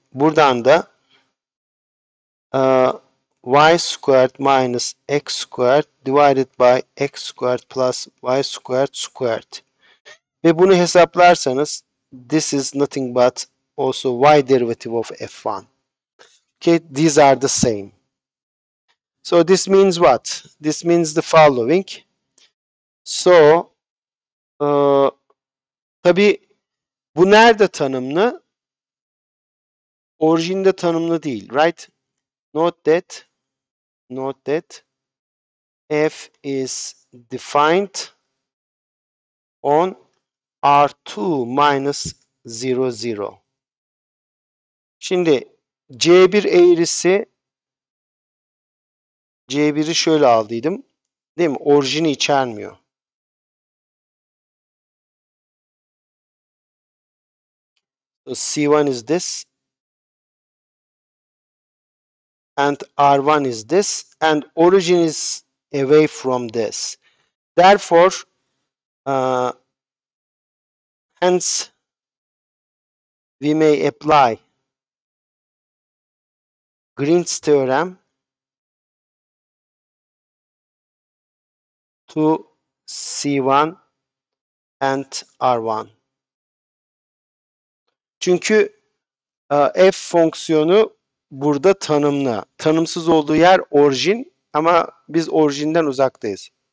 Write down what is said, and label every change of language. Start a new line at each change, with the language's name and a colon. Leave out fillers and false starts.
Turkish: Buradan da
English: y squared minus x squared divided by x squared plus y squared squared.
Turkish: Ve bunu hesaplarsanız
English: this is nothing but also y derivative of f1. Okay, these are the same. So this means what? This means the following.
Turkish: So tabi bu nerede tanımlı? Orijinde tanımlı değil, right?
English: Note that f is defined on R2 minus 0, 0.
Turkish: Şimdi C1 eğrisi, C1'i şöyle aldıydım, değil mi? Orijini içermiyor.
English: So C1 is this. And R1 is this. And origin is away from this. Therefore, hence, we may apply Green's theorem to C1 and R1.
Turkish: Çünkü f fonksiyonu burada tanımlı. Tanımsız olduğu yer orijin ama biz orijinden uzaktayız.